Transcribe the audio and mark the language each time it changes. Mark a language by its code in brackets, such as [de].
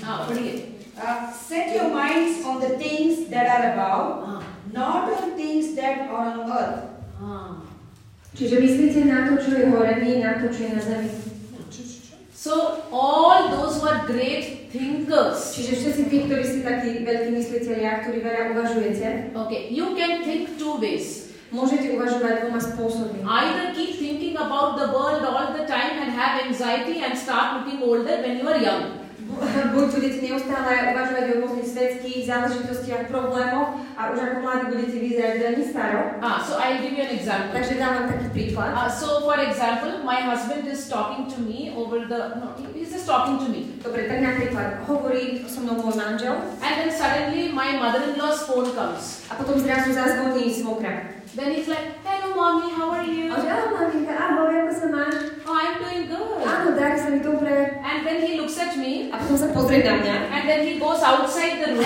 [en] Set your minds on the things that are above, not on things that are on earth. [sk] Čiže myslíte na to, čo je hore, nie na to, čo je na zemi. [en] So all those who are great thinkers. [sk] Čiže všetci tí, ktorí ste takí veľkí mysliteľia, ktorí veľa uvažujete. [en] Okay, you can think two ways. [sk] Môžete uvažovať dvoma spôsobmi. [en] Either keep thinking about the world all the time and have anxiety and start looking older when you are young. [sk] budete neustále uvažovať o rôznych svetských záležitostiach, problémoch a už ako mladí budete vyzerať veľmi staro. [en] So I'll give you an example. [sk] Takže dám vám taký príklad. [en] So for example, my husband is talking to me over the... No, he's just talking to me. [sk] Dobre, tak napríklad hovorí so mnou môj manžel. [en] And then suddenly my mother-in-law's phone comes. [sk] A potom zrazu zazvoní svokra. [en] Then he's like, hello mommy, how are you? Hello mommy, [sk] ahoj, ako sa máš? [en] Oh, I'm doing good. [sk] Áno, Dari, sa mi dobre. [en] And then he looks at me. [sk] A potom sa pozrie na mňa. [en] And then he goes outside the room.